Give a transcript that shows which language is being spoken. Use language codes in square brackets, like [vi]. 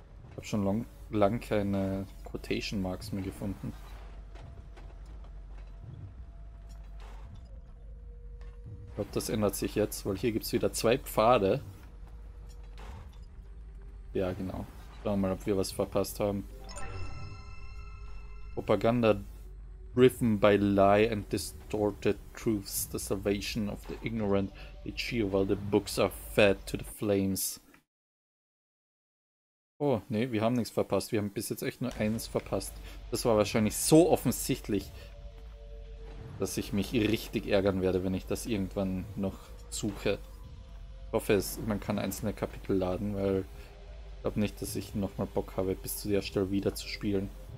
[de] Ich habe schon lang keine Quotation Marks mehr gefunden. Glaube, das ändert sich jetzt, weil hier gibt es wieder zwei Pfade. Ja, genau. Schauen wir mal, ob wir was verpasst haben. [en] Propaganda driven by lie and distorted truths. The salvation of the ignorant. They cheer while the books are fed to the flames. [de] Oh, nee, wir haben nichts verpasst. Wir haben bis jetzt echt nur eins verpasst. Das war wahrscheinlich so offensichtlich, dass ich mich richtig ärgern werde, wenn ich das irgendwann noch suche. Ich hoffe, man kann einzelne Kapitel laden, weil ich glaube nicht, dass ich nochmal Bock habe, bis zu der Stelle wieder zu spielen.